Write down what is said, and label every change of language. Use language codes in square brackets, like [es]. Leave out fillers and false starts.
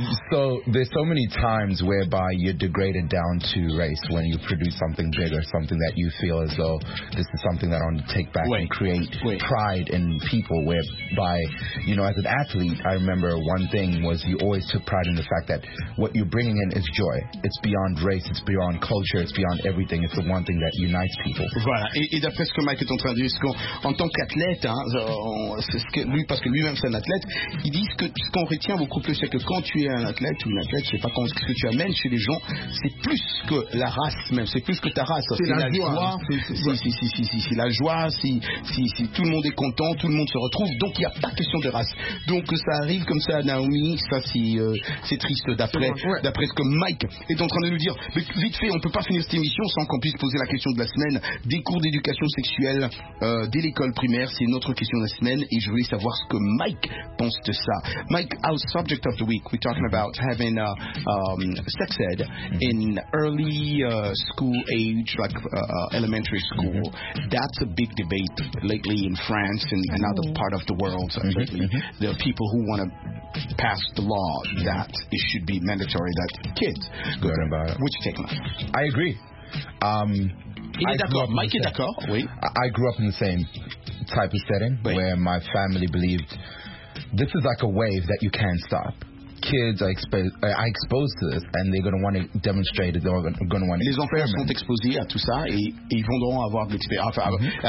[en] So there's so many times whereby you're degraded down to race when you produce something bigger, something that you feel as though this is something that I want to take back and create pride in people, whereby, you know, as an athlete, I remember one thing was you always took pride in the fact that what you're bringing in is joy. It's beyond race, it's beyond culture, it's beyond everything, it's the one thing that unites people. [fr] Voilà, et d'après ce que Mike est en train de dire, en tant qu'athlète, parce que lui-même c'est un athlète, ils disent que ce qu'on retient beaucoup plus, c'est que quand tu es un athlète ou une athlète, je sais pas ce que tu amènes chez les gens, c'est plus que la race même, c'est plus que ta race. C'est la joie, tout le monde est content, tout le monde se retrouve, donc il n'y a pas question de race. Donc ça arrive comme ça à Naomi, ça c'est triste d'après ce que Mike est en train de nous dire. Mais vite fait, on peut pas finir cette émission sans qu'on puisse poser la question de la semaine des cours d'éducation sexuelle dès l'école primaire. C'est notre question de la semaine et je voulais savoir ce que Mike pense de ça. [en] Mike, our subject of the week, we're talking about having sex ed in early school age, like elementary school. That's a big debate lately in France and another part of the world. There are people who want to pass the law that it should be mandatory that kids go about it. What you take, Mike? I agree. I grew up in the same type of setting where my family believed this is like a wave that you can't stop. Kids are exposed to this, and they're going to want to demonstrate it. They're going to want to. [fr] Les enfants sont exposés à tout ça, et ils vont avoir de l'expérience, apprendre.